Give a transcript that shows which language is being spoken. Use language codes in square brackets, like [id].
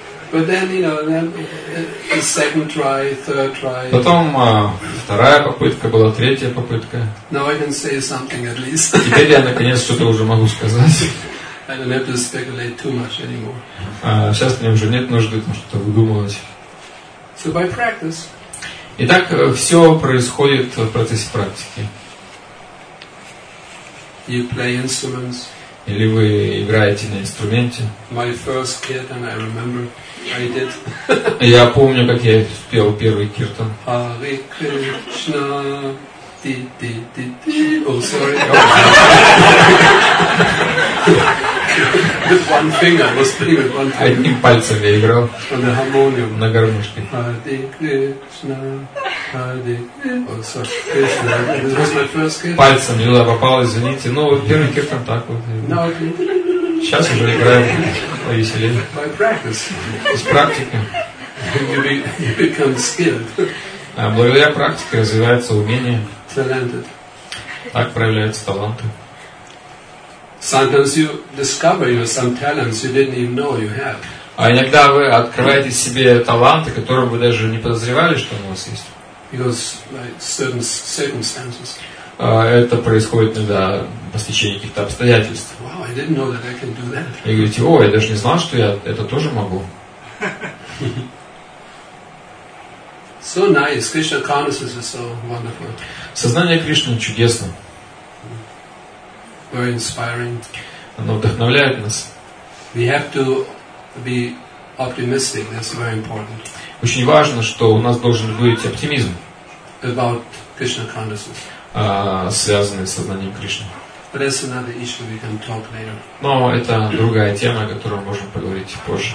[en] But then, you know, then the second try, third try. [ru] Потом вторая попытка была, третья попытка. [en] Now I can say something at least. [ru] Теперь я наконец что-то уже могу сказать. [en] I don't have to speculate too much anymore. [ru] Сейчас мне уже нет нужды там что-то выдумывать. [en] So by practice. [ru] Итак, все происходит в процессе практики. [en] You play instruments. [ru] Или вы играете на инструменте. [en] My first kirtan, I remember, I did. [ru] Я помню, как я спел первый киртан. [en] Hare Krishna. Ti ti ti ti. Oh, sorry. With one finger, I was playing with one finger. [ru] Одним пальцем я играл. [en] On the harmonium. [ru] На гармошке. [en] Hare Krishna, Hare Krishna. Oh, sorry. Krishna. This was my first kirtan. [ru] Пальцем, не туда попал, извините. Ну, вот первый киртан так вот. [en] No, okay. [ru] Сейчас уже играем повеселее. [en] By practice. [ru] С практикой. [en] You become skilled. [ru] Благодаря практике развивается умение. [en] Talented. [ru] Так проявляются таланты. [en] Sometimes you discover you have some talents you didn't even know you have. [ru] А иногда вы открываете себе таланты, которые вы даже не подозревали, что у вас есть. [en] Because like certain circumstances. [ru] Это происходит иногда по стечению каких-то обстоятельств. [en] Wow, I didn't know that I can do that. [ru] И говорите, о, я даже не знал, что я это тоже могу. [en] So nice. Krishna consciousness is so wonderful. [ru] Сознание Кришны чудесно. [en] very inspiring. [ru] Оно вдохновляет нас. [en] We have to be optimistic. That's very important. [ru] Очень важно, что у нас должен быть оптимизм. [en] About Krishna consciousness. [ru] Связанный с сознанием Кришны. [en] But that's another issue we can talk later. [ru] Но это другая тема, о которой мы можем поговорить позже.